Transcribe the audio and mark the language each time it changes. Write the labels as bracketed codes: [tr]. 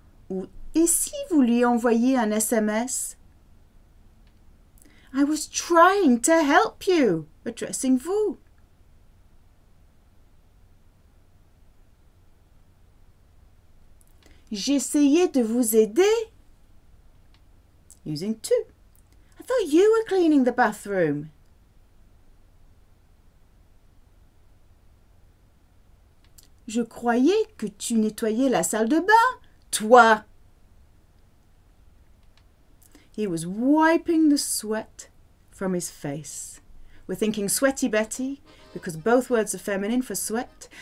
[fr] Ou et si vous lui envoyez un SMS? [en] I was trying to help you, addressing vous. [fr] J'essayais de vous aider. [en] Using to. I thought you were cleaning the bathroom. [fr] Je croyais que tu nettoyais la salle de bain, toi. [en] He was wiping the sweat from his face. We're thinking sweaty Betty, because both words are feminine for sweat.